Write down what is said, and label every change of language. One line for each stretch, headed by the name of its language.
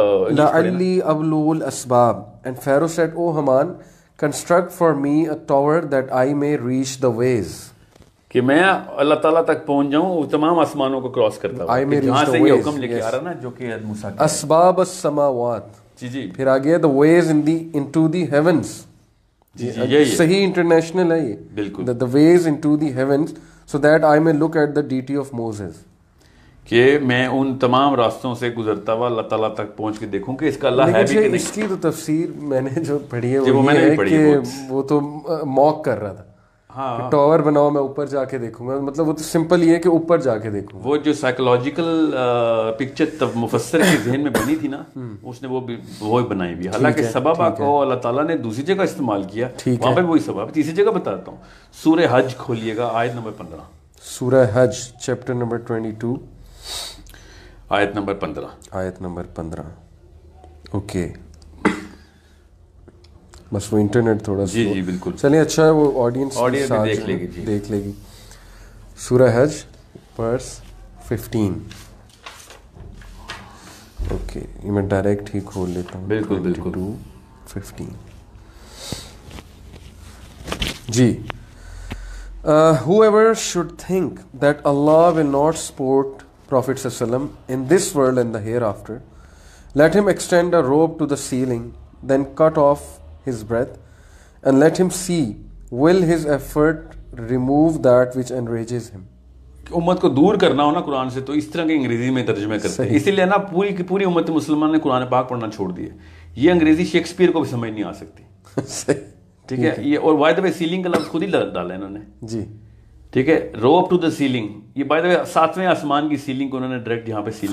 Arabic: لعلی ابلو الاسباب,
English: and Pharaoh said O Haman construct for me a tower that I may reach the ways,
Urdu: کہ میں اللہ تعالیٰ تک پہنچ جاؤں تمام آسمانوں کو کراس کرتا ہوں,
English: I may reach the
Urdu: ویز, حکم لے کے آ رہا نا جو کہ موسیٰ,
Arabic: اسباب السماوات,
Urdu: جی جی, پھر آگے
English: the ways in the into the heavens,
Urdu: جی جی, صحیح انٹرنیشنل ہے یہ, بالکل,
English: The ways into the heavens so that I may look at the duty of Moses.
Urdu: کہ میں ان تمام راستوں سے گزرتا ہوا اللہ تعالیٰ تک پہنچ کے دیکھوں کہ اس کا اللہ ہے بھی کہ نہیں. اس کی تو تفسیر میں نے جو پڑھی ہے وہ یہ ہے کہ وہ تو موک کر رہا تھا, ٹاور بناؤ میں اوپر جا کے دیکھوں گا, مطلب وہ تو سمپل یہ ہے کہ اوپر جا کے دیکھوں. وہ جو سائیکولوجیکل پکچر مفسر کے ذہن میں بنی تھی نا, اس نے وہ بھی بنائی ہوئی. حالانکہ سبب آ کو اللہ تعالیٰ نے دوسری جگہ استعمال کیا, وہاں پہ وہی سبب. تیسری جگہ بتاتا ہوں, سورہ حج کھولیے گا آیت نمبر 15, سورہ حج چیپٹر نمبر 22 آیت نمبر 15, آیت نمبر 15. اوکے, بس وہ انٹرنیٹ تھوڑا سا, جی جی بالکل, چلیں اچھا ہے, وہ آڈینس آڈینس دیکھ لے گی. سورہ حج پرس 15. اوکے, یہ میں ڈائریکٹ ہی کھول لیتا ہوں. بالکل بالکل, 15.
English: جی, whoever should think that Allah will not support Prophet
Arabic: صلی اللہ علیہ وسلم
English: in this world and the hereafter, let him extend a rope to the ceiling, then cut off his breath, and let him see, will his effort remove that which enrages him?
Urdu: امت کو دور کرنا ہو نا قرآن سے, تو اس طرح کے انگریزی میں ترجمے کرتے ہیں. اسی لیے نا پوری کی پوری امت مسلمان نے قرآن پاک پڑھنا چھوڑ دی ہے. یہ انگریزی شیکسپیئر کو بھی سمجھ نہیں آ سکتی, ٹھیک ہے. یہ اور بائی دی وے سیلنگ کا لفظ خود ہی ڈالا ہے انہوں نے, جی ٹھیک ہے,
English: Rope to the ceiling.
Urdu: یہ بائی دی وے ساتویں آسمان کی سیلنگ کو انہوں نے ڈائریکٹ یہاں پہ سیلنگ.